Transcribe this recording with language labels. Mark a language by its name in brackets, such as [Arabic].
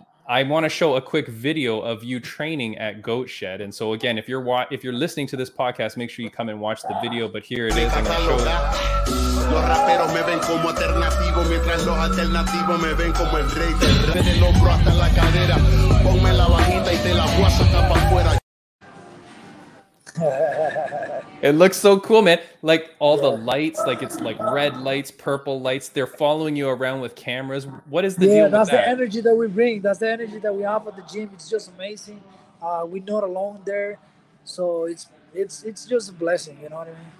[English] I want to show a quick video of you training at Goat Shed. And so again, if you're listening to this podcast, make sure you come and watch the video. But here it is. I'm going to show you. [Spanish] Los raperos me ven como alternativo, mientras los alternativos me ven como el rey. Desde el hombro hasta la cadera, ponme la bajita y te la voy a sacar para afuera. [English] It looks so cool, man. Like all the lights, like it's like red lights, purple lights. They're following you around with cameras. What is the deal with that? That's the energy that we bring. That's the energy that we have at the gym. It's just amazing. We're not alone there. So it's just a blessing, you know what I mean?